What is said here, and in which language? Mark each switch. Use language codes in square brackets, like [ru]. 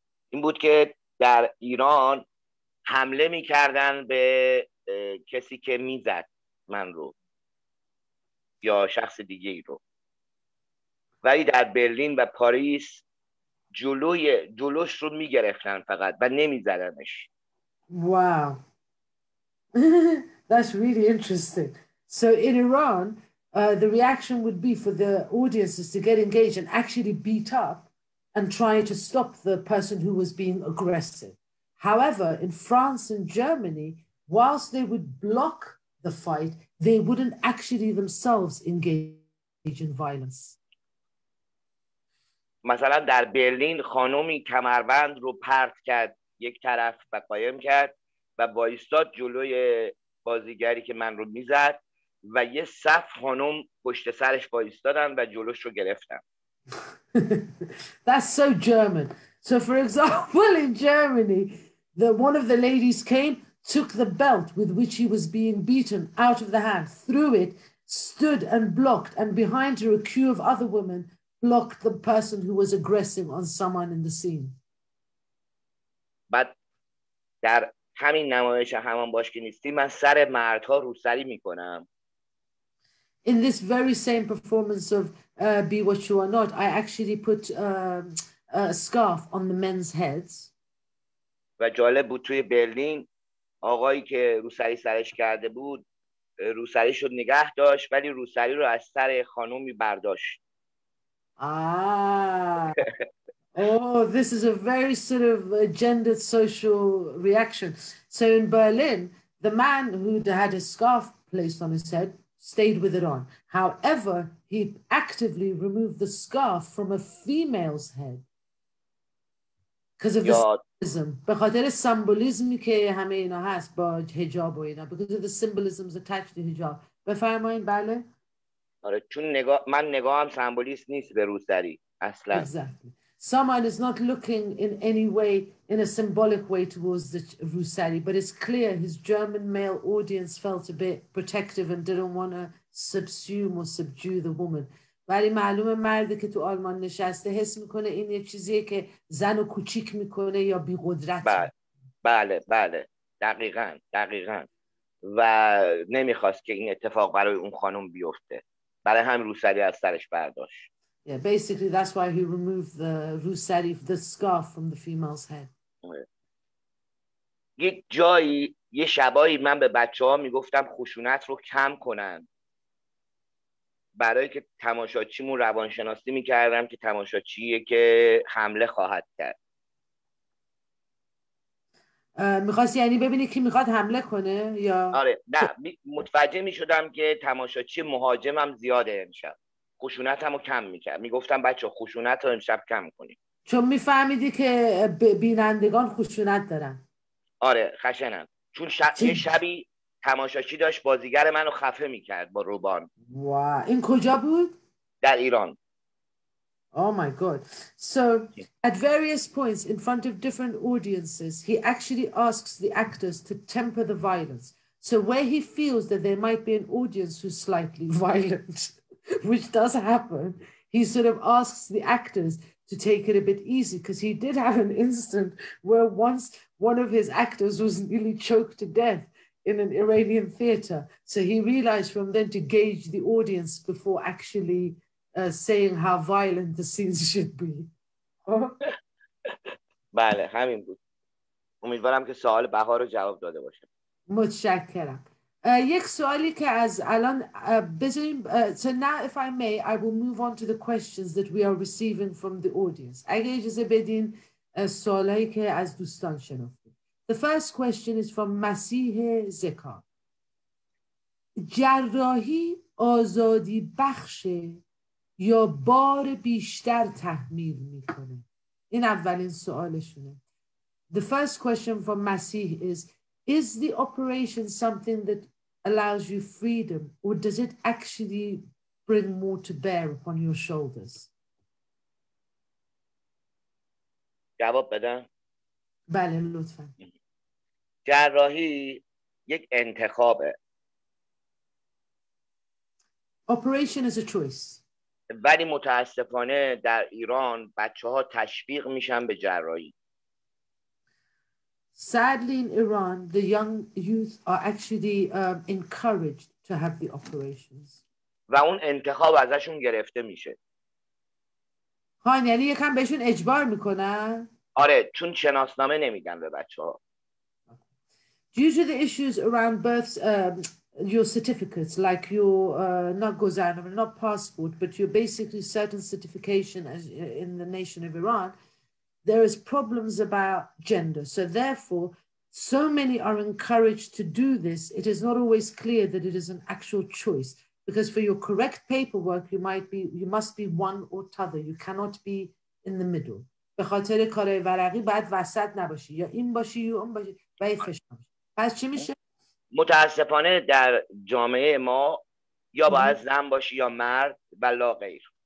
[fa] این بود که در ایران حمله می‌کردن به کسی که می‌زد من رو یا شخص دیگه ای رو. ولی در برلین و پاریس جلوش رو می‌گرفتن فقط و نمی‌زدنش. [en] Wow. That's really interesting. So in Iran, the reaction would be for the audiences to get engaged and actually beat up and try to stop the person who was being aggressive. However, in France and Germany, whilst they would block the fight, they wouldn't actually themselves engage in violence. [fa] مثلا در برلین خانومی کمربند رو پرت کرد یک طرف و قایم کرد و وایستاد جلوی بازیگری که من رو میزد و یه صف خانم پشت سرش وایستادن و جلوش رو گرفتن. [en] That's so German. So for example, in Germany, one of the ladies came, took the belt with which he was being beaten out of the hand, threw it, stood and blocked, and behind her a queue of other women blocked the person who was aggressing on someone in the scene. But [fa] در همین نمایش همان باش که نیستی من سر مردها روسری میکنم. [en] In this very same performance of Be What You Are Not, I actually put a scarf on the men's heads. [fa] و جالب بود توی برلین آقایی که روسری سرش کرده بود روسری شد نگه داشت ولی روسری رو از سر خانومی برداشت. [en] Oh, this is a very sort of gendered social reaction. So in Berlin, the man who had his scarf placed on his head stayed with it on. However, he actively removed the scarf from a female's head because of the symbolism [fa] که همه اینا هست با حجاب و اینا, [en] because of the symbolisms attached to hijab. [fa] بفرمایید بله. آره چون نگاهم سمبولیست نیست به روسری اصلا. [en] Exactly. Saman is not looking in any way, in a symbolic way, towards the Rusari, but it's clear his German male audience felt a bit protective and didn't want to subsume or subdue the woman. [fa] ولی معلومه مردی که تو آلمان نشسته حس میکنه این یه چیزیه که زن رو کوچیک میکنه یا بیقدرت. بله بله دقیقاً دقیقاً و نمیخواست که این اتفاق برای اون خانم بیفته. برای هم روسری از سرش برداشت. [en] Yeah, basically that's why he removed the rusari, the scarf from the female's head. [fa] یک جایی یه شبایی من به بچه‌ها میگفتم خشونت رو کم کنن. برای که تماشاچیمون روانشناسی میکردم که تماشاچیه که حمله خواهد کرد. میخواستی یعنی ببینی که میخواد حمله کنه یا؟ آره نه متوجه میشدم که تماشاچی مهاجمم زیاده امشب. خشونت هم رو کم میکرد. میگفتم بچه خشونت رو امشب کم کنیم. چون میفهمیدی که بینندگان خشونت دارن. آره خشنن. چون شبی تماشاچی داشت بازیگر من رو خفه میکرد با روبان. واو. این کجا بود؟ در ایران. [en] Oh my God. So at various points in front of different audiences, he actually asks the actors to temper the violence. So where he feels that there might be an audience who's slightly violent, which does happen, he sort of asks the actors to take it a bit easy, because he did have an instant where once one of his actors was nearly choked to death in an Iranian theater. So he realized from then to gauge the audience before actually saying how violent the scenes should be. [fa] بله همین بود. امیدوارم که سوال بهار رو جواب داده باشه. متشکرم. یک سوالی که از الان بذاریم. [en] So now if I may, I will move on to the questions that we are receiving from the audience. [fa] اگه اجازه بدین سوالی که از دوستان شنفتیم. [en] The first question is from Masih Zaka. [fa] جراحی آزادی بخشه یا بار بیشتر تحمیل میکنه؟ این اولین سوالشونه. [en] The first question from Masih is the operation something that allows you freedom, or does it actually bring more to bear upon your shoulders? [fa] جواب بدم؟ بله لطفاً. جراحی یک انتخابه. [en] Operation is a choice. [fa] ولی متاسفانه در ایران بچه‌ها تشویق میشن به جراحی. [en] Sadly, in Iran, the young youth are actually encouraged to have the operations. [fa] و اون انتخاب ازشون گرفته میشه. خان یعنی یکم بهشون اجبار میکنن؟ آره چون شناسنامه نمیدن به بچه‌ها. [en] Due to the issues around births, your certificates, like your not gozanam, not passport, but your basically certain certification as in the nation of Iran, there is problems about gender. So therefore, so many are encouraged to do this. It is not always clear that it is an actual choice, because for your correct paperwork, you must be one or t'other. You cannot be in the middle. [fa] به خاطر کارهای ورقی باید وسط نباشی. یا این باشی یا اون باشی. باید فشار باشی. پس چی میشه؟ متاسفانه در جامعه ما یا باید زن باشی یا مرد و لا غیر.